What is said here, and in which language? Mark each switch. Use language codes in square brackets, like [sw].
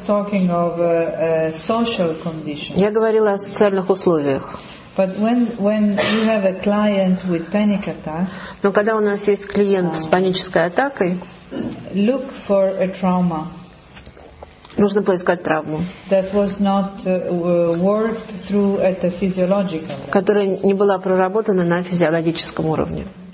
[ru] Я говорила о социальных условиях. [en] But when you have a client with panic attack. [ru] Но когда у нас есть клиент с панической атакой. [en] Look for a trauma. [ru] Нужно поискать травму. [en] That was not worked through at the physiological level. [ru] Которая не была проработана на физиологическом уровне.